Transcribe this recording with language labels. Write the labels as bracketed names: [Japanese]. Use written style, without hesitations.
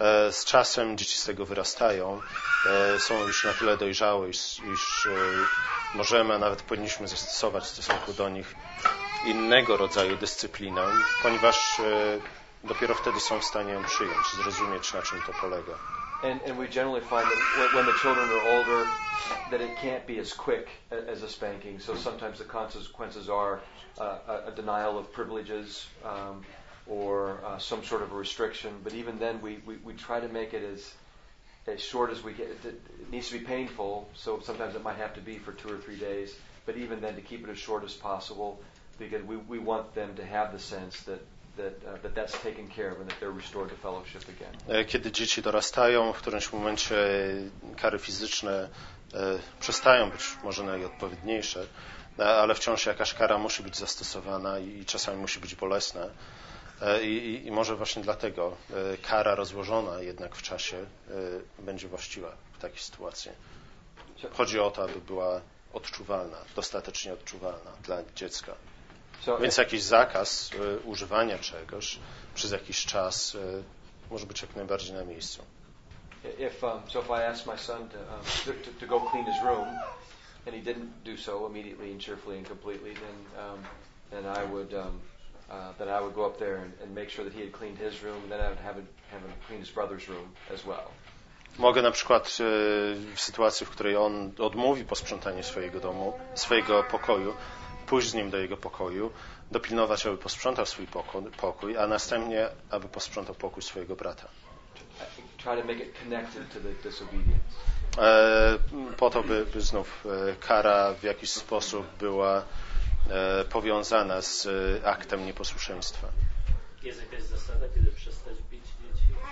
[Polish] Z czasem dzieci z tego wyrastają, są już na tyle dojrzałe, iż możemy, a nawet powinniśmy zastosować w stosunku do nich innego rodzaju dyscyplinę, ponieważ dopiero wtedy są w stanie ją przyjąć, zrozumieć, na czym to polega. [English] And we generally find that when the children are older, that it can't be as quick as a spanking. So sometimes the consequences are a denial of privileges or some sort of a restriction. But even then, we try to make it as short as we get. It needs to be painful, so sometimes it might have to be for 2 or 3 days. But even then, to keep it as short as possible, because we want them to have the sense that that's taken care of and that they're restored to fellowship again. [Polish] Kiedy dzieci dorastają, w którymś momencie kary fizyczne przestają być może najodpowiedniejsze, ale wciąż jakaś kara musi być zastosowana i czasami musi być bolesna. I może właśnie dlatego kara rozłożona jednak w czasie będzie właściwa w takiej sytuacji. Chodzi o to, aby była odczuwalna, dostatecznie odczuwalna dla dziecka. Więc jakiś zakaz używania czegoś przez jakiś czas może być jak najbardziej na miejscu. [English] If I ask my son to go clean his room and he didn't do so immediately and cheerfully and completely, then I would go up there and make sure that he had cleaned his room, and then I would have him clean his brother's room as well. [Polish] Mogę na przykład w sytuacji, w której on odmówi posprzątanie swojego domu, swojego pokoju, pójść z nim do jego pokoju, dopilnować, aby posprzątał swój pokój, a następnie, aby posprzątał pokój swojego brata. [English] Try to make it connected to the disobedience. [Polish] Po to, by znów kara w jakiś sposób była powiązana z aktem nieposłuszeństwa. Jest jakaś zasada, kiedy przestać bić dzieci?